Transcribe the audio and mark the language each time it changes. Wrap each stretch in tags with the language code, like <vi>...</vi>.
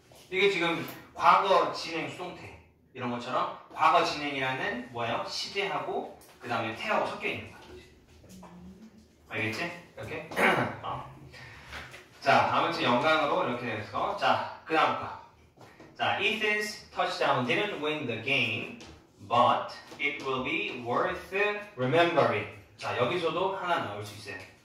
<ko>이게 지금 과거 진행 수동태 이런 것처럼 과거 진행이라는 뭐예요? 시제하고 그 다음에 태하고 섞여 있는 거지. 알겠지? 이렇게? 자, 아무튼 영광으로 이렇게 해서 자, 그 다음 거.</ko> <en>자, Ethan's touchdown didn't win the game, but it will be worth remembering.</en> <ko>자, 여기서도 하나 넣을 수 있어요.</ko>